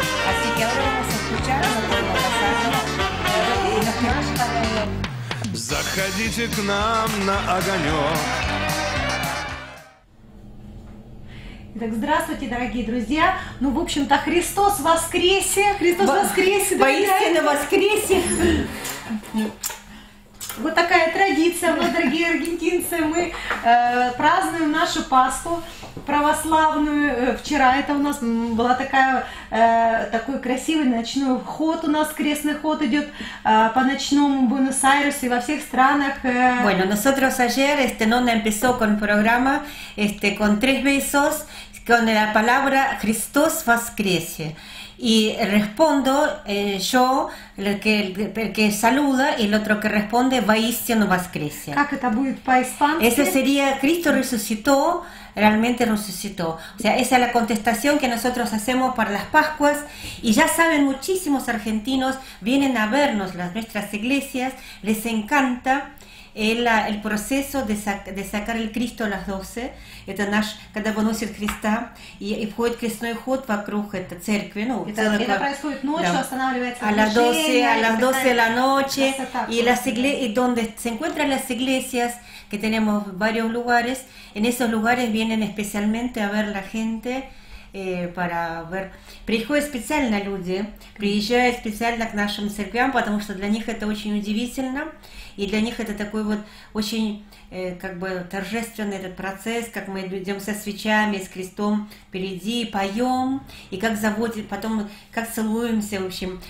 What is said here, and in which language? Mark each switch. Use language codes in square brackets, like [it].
[es] Así que ahora vamos a escuchar lo que está pasando y nos quedamos para el... [ru] Заходите к нам на огонек. Итак, здравствуйте, дорогие друзья. Ну, в общем-то, Христос воскресе. Христос воскресе, дорогие. Поистине воскресе. Вот такая традиция, мы, дорогие аргентинцы, мы празднуем нашу Пасху православную. Вчера это у нас была такая, такой красивый ночной ход у нас, крестный ход идет по ночному Буэнос-Айресу и во всех странах. [es] Bueno, nosotros ayer este Nonna empezó con programa este con tres besos con la palabra [ru] Христос воскресе. [es] Y respondo yo, el que saluda, y el otro que responde, Vaistiano Vascrecia. ¿Cómo [ru] это будет по-испански? [es] Eso sería, Cristo resucitó, realmente resucitó. O sea, esa es la contestación que nosotros hacemos para las Pascuas. Y ya saben, muchísimos argentinos vienen a vernos, las nuestras iglesias, les encanta el proceso de sacar el Cristo a las 12. [ru] Это наш, когда выносят Христа и входит крестной ход вокруг этой церкви. Ну, это происходит ночью, да. Останавливается [es] a las 12 de la noche. И donde se encuentran las iglesias, que tenemos varios lugares, en esos lugares vienen especialmente a ver la gente, para ver. [ru] Приходят специально люди, приезжают специально к нашим церквям, потому что для них это очень удивительно. И для них это такой вот очень как бы торжественный этот процесс, как мы идем со свечами, с крестом впереди, поем, и как заводят, потом как целуемся, в общем.